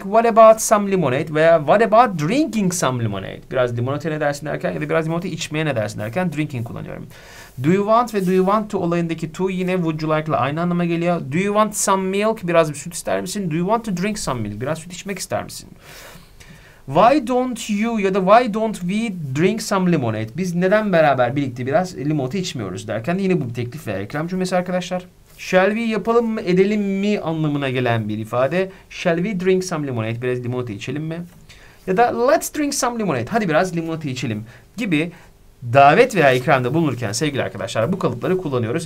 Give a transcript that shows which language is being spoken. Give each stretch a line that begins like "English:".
English: What about some lemonade veya what about drinking some lemonade?
Turkish: Biraz limonata ne dersin derken ya da biraz limonata içmeye ne dersin derken drinking kullanıyorum.
English: Do you want
Turkish: ve
English: do you want to
Turkish: olayındaki to yine
English: would you like
Turkish: ile aynı anlama geliyor.
English: Do you want some milk?
Turkish: Biraz bir süt ister misin?
English: Do you want to drink some milk?
Turkish: Biraz süt içmek ister misin?
English: Why don't you
Turkish: ya da
English: why don't we drink some lemonade?
Turkish: Biz neden beraber birlikte biraz limonata içmiyoruz derken yine bu bir teklif veya ikram cümlesi arkadaşlar.
English: Shall we
Turkish: yapalım mı edelim mi anlamına gelen bir ifade.
English: Shall we drink some lemonade?
Turkish: Biraz limonata içelim mi? Ya da
English: let's drink some lemonade.
Turkish: Hadi biraz limonata içelim gibi davet veya ikramda bulunurken sevgili arkadaşlar bu kalıpları kullanıyoruz.